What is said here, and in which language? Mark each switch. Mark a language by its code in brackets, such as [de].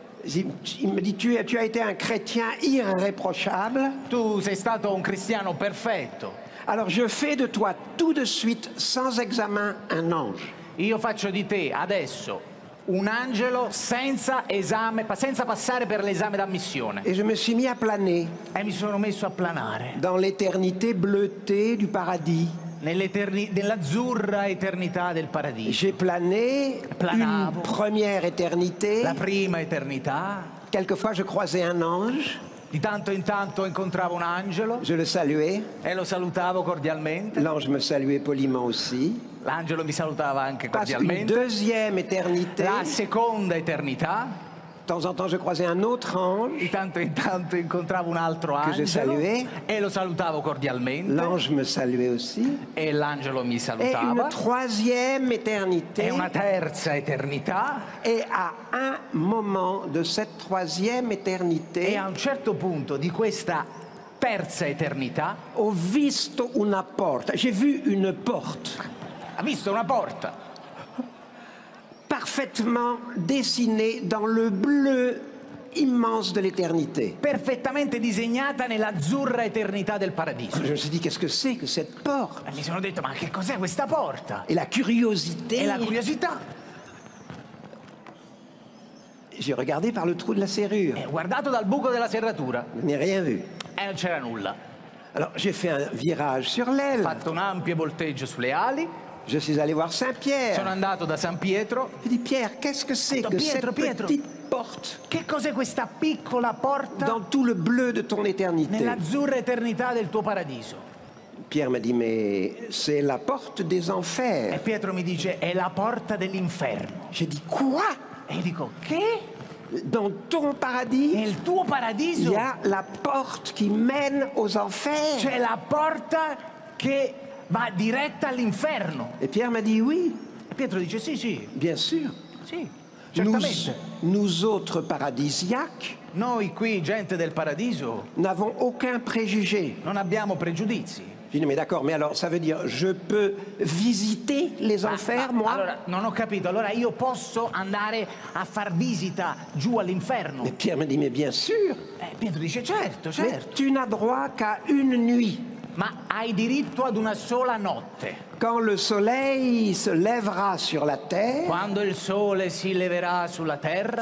[fr] Il me dit, tu as été un chrétien irréprochable. [it] Tu sei stato un cristiano perfetto. [fr] Alors je fais de toi tout de suite, sans examen, un ange. [it] Io faccio di te adesso un angelo senza esame, senza passare per l'esame d'ammissione. [fr] Et je me suis mis à planer. [it] E mi sono messo a planare. [fr] Dans l'éternité bleutée du paradis. [it] Nell'azzurra eternità del paradiso. [fr] J'ai plané. [it] Planavo. [fr] Une première éternité. [it] La prima eternità. [fr] Quelquefois je croisais un ange. [it] Di tanto in tanto incontravo un angelo. [fr] Je le saluais. [it] E lo salutavo cordialmente. [fr] L'ange me saluait poliment aussi. [it] L'angelo mi salutava anche cordialmente. [fr] Parce que une deuxième éternité. [it] La seconda eternità. [fr] De temps en temps je croisais un autre ange. [it] Di tanto in tanto incontravo un altro angelo. [fr] Che je saluais. [it] E lo salutavo cordialmente. [fr] L'ange me saluait aussi. [it] E l'angelo mi salutava. [fr] Et une troisième éternité. [it] E una terza eternità. [fr] Et à un moment de cette troisième éternité. [it] E a un certo punto di questa terza eternità. Ho visto una porta. [fr] J'ai vu une porte. [it] Ha visto una porta. [fr] Parfaitement dessiné dans le bleu immense de l'éternité. [it] Perfettamente disegnata nell'azzurra eternità del paradiso. [fr] Je me suis dit, qu'est-ce que c'est que cette porte? [it] Mi sono detto, ma che cos'è questa porta? [fr] Et la curiosité. [it] E la curiosità. [fr] J'ai regardé par le trou de la serrure. [it] E ho guardato dal buco della serratura. [fr] N'ai rien vu. [it] E non c'era nulla. [fr] Alors, j'ai fait un virage sur l'aile. [it] Ho fatto un ampio volteggio sulle ali. [fr] Je suis allé voir Saint-Pierre. [it] Sono andato da San Pietro. Gli dico, [fr] Pierre, qu'est-ce que c'est [it] Pietro, [fr] que cette [it] Pietro, [fr] petite porte? [it] Che cos'è questa piccola porta? [fr] Dans tout le bleu de ton éternité. [it] Nell'azzurra eternità del tuo paradiso. [fr] Pierre m'a dit, mais c'est la porte des enfers. [it] E Pietro mi dice, è la porta dell'inferno. [fr] J'ai dit, quoi? [it] E io dico, che? [fr] Dans ton paradis, [it] nel tuo paradiso, [fr] il y a la porte qui mène aux enfers. [it] C'è la porta che va diretta all'inferno. [fr] Et Pierre m'a dit oui. [it] E Pietro dice sì, sì. [fr] Bien sûr. [it] Sì, certamente. [fr] Nous autres paradisiaques, [it] noi qui, gente del paradiso, [fr] n'avons aucun préjugé. [it] Non abbiamo pregiudizi. [fr] Je dis, mais d'accord, mais alors ça veut dire je peux visiter les enfers, moi? [it] Allora, non ho capito. Allora io posso andare a far visita giù all'inferno? [fr] Et Pierre me dit, mais bien sûr. [it] Pietro dice certo, certo. [fr] Mais tu n'as droit qu'à une nuit. [it] Ma hai diritto ad una sola notte. [fr] Quand le soleil se lèvera sur la terre. [it] Quando il sole si leverà sulla terra.